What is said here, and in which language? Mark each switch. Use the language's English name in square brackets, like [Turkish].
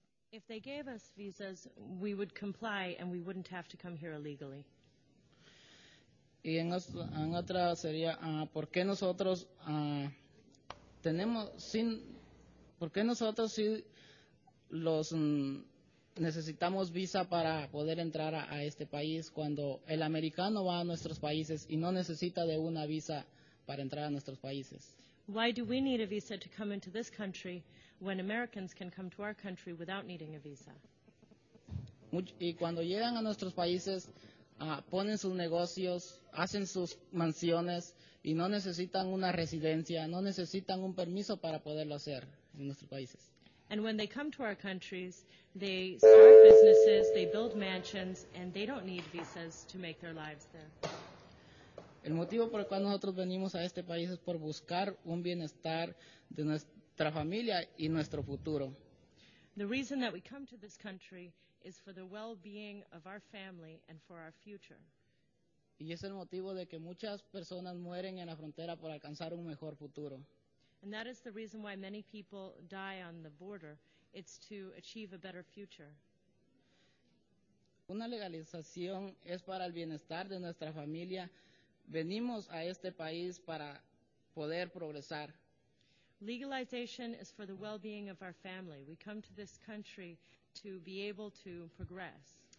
[English] If they gave us visas, we would comply and we wouldn't have to come here illegally. [Spanish] Y en otra sería, ¿por qué nosotros tenemos sin, por qué nosotros sí los necesitamos visa para poder entrar a este país cuando el americano va a nuestros países y no necesita de una visa para entrar a nuestros países? [English] Why do we need a visa to come into this country when Americans can come to our country without needing a visa? [Spanish] Y cuando llegan a nuestros países, ponen sus negocios, hacen sus mansiones y no necesitan una residencia, no necesitan un permiso para poderlo hacer en nuestros países. [English] And when they come to our countries, they start businesses, they build mansions, and they don't need visas to make their lives there. [Spanish] El motivo por el cual nosotros venimos a este país es por buscar un bienestar de nuestra familia y nuestro futuro. [English] The reason that we come to this country is for the well-being of our family and for our future. [Spanish] Y es el motivo de que muchas personas mueren en la frontera por alcanzar un mejor futuro. [English] And that is the reason why many people die on the border. It's to achieve a better future. [Spanish] Una legalización es para el bienestar de nuestra familia. Venimos a este país para poder progresar. [English] Legalization is for the well-being of our family. We come to this country to be able to progress.